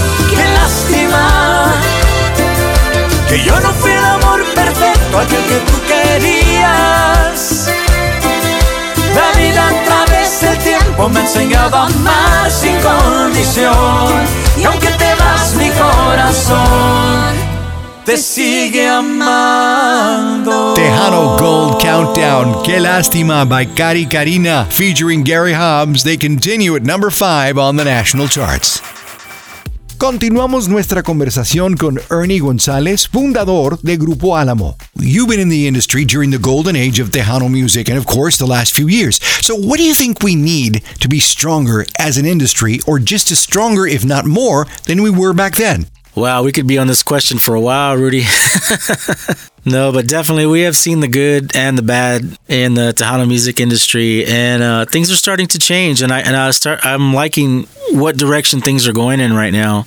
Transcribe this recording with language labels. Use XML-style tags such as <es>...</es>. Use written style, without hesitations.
<es>Qué lástima que yo no fui el amor perfecto, aquel que tú querías. La vida a través del tiempo me ha enseñado a amar sin condición. Y aunque te vas, mi corazón te sigue amando.</es> <en>Tejano Gold Countdown, Qué Lástima by Cari Carina featuring Gary Hobbs. They continue at number 5 on the national charts.</en> <es>Continuamos nuestra conversación con Ernie González, fundador de Grupo Álamo.</es> <en>You've been in the industry during the golden age of Tejano music and, of course, the last few years. So what do you think we need to be stronger as an industry, or just as stronger, if not more, than we were back then? Wow, we could be on this question for a while, Rudy. No, but definitely we have seen the good and the bad in the Tejano music industry, and things are starting to change, and I'm liking what direction things are going in right now.</en>